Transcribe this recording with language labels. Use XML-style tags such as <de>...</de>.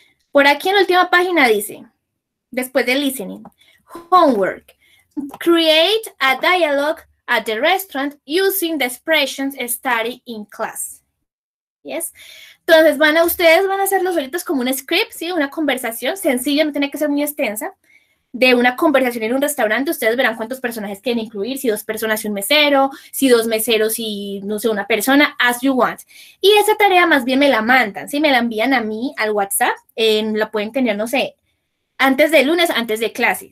<es>Por aquí en la última página dice, después de listening, homework.</es> <en>Create a dialogue at the restaurant using the expressions study in class. Yes.</en> <es>Entonces, ustedes van a hacer los solitos como un script, ¿sí? Una conversación sencilla, no tiene que ser muy extensa, de una conversación en un restaurante. Ustedes verán cuántos personajes quieren incluir, si dos personas y un mesero, si dos meseros y, no sé, una persona, as you want. Y esa tarea más bien me la mandan, ¿sí? Me la envían a mí al WhatsApp, la pueden tener, no sé, antes de lunes, antes de clase.</es>